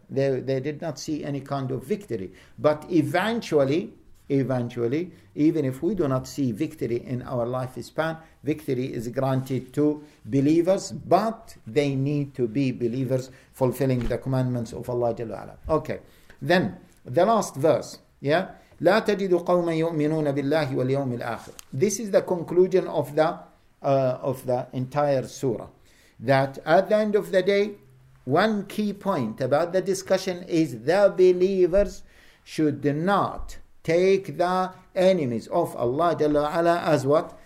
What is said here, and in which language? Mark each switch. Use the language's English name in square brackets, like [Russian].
[English] They did not see any kind of victory. But eventually, even if we do not see victory in our lifespan, victory is granted to believers, but they need to be believers fulfilling the commandments of Allah Jalla Ala. Okay, then the last verse. [Arabic] Yeah, لا تجد قوما يؤمنون بالله واليوم الآخر. [English] This is the conclusion of the entire surah. That at the end of the day, one key point about the discussion is the believers should not take the enemies of Allah Jalla Ala as what?